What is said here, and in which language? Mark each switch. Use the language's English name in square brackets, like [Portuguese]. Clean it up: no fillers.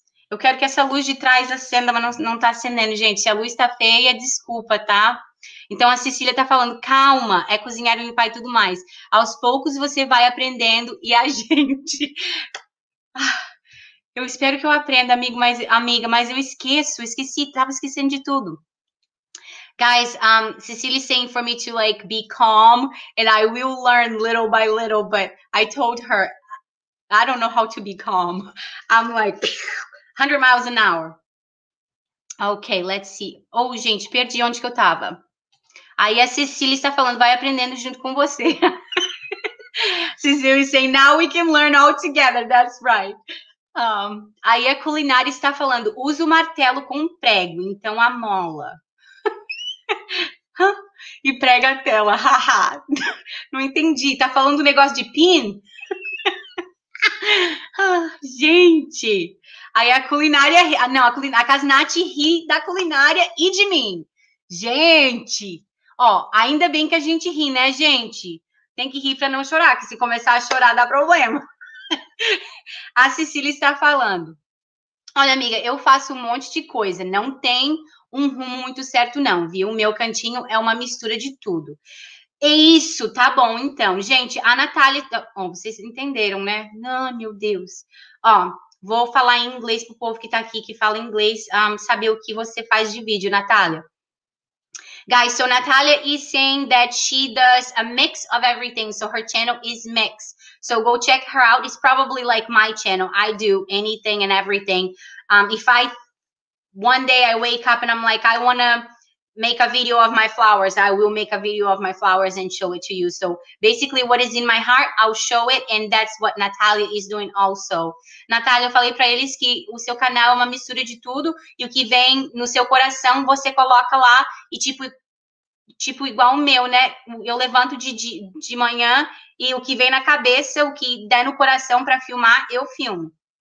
[Portuguese] Eu quero que essa luz de trás acenda, mas não tá acendendo. Gente, se a luz tá feia, desculpa, tá? Então, a Cecília tá falando, calma, é cozinhar, limpar e tudo mais. Aos poucos, você vai aprendendo e a gente... Eu espero que eu aprenda, amiga, mas eu esqueço. Esqueci, tava esquecendo de tudo. [English] Guys, Cecily's saying for me to like be calm and I will learn little by little, but I told her I don't know how to be calm. I'm like 100 miles an hour. Okay, let's see. [Portuguese] Oh, gente, perdi onde que eu tava. Aí a Cecily está falando, vai aprendendo junto com você. [English] Cecily's saying, now we can learn all together. That's right. [Portuguese] Aí a culinária está falando, usa o martelo com prego, então a mola. E prega a tela, haha. Não entendi, tá falando um negócio de pin? Gente, aí a culinária, não, a Casnath ri da culinária e de mim. Gente, ó, ainda bem que a gente ri, né, gente? Tem que rir pra não chorar, que se começar a chorar dá problema. A Cecília está falando. Olha, amiga, eu faço um monte de coisa, não tem um rumo muito certo não, viu? O meu cantinho é uma mistura de tudo. Isso, tá bom, então. Gente, a Natália. Bom, vocês entenderam, né? Não, meu Deus. Ó, vou falar em inglês pro povo que tá aqui, que fala inglês, saber o que você faz de vídeo, Natália. [English] Guys, so Natalia is saying that she does a mix of everything. So her channel is mixed. So go check her out. It's probably like my channel. I do anything and everything. If I one day I wake up and I'm like, I wanna make a video of my flowers, I will make a video of my flowers and show it to you. So basically, what is in my heart, I'll show it, and that's what Natalia is doing also. [Portuguese] Natalia, eu falei para eles que o seu canal é uma mistura de tudo e o que vem no seu coração você coloca lá e tipo igual o meu, né? Eu levanto de manhã e o que vem na cabeça, o que der no coração para filmar, eu filmo.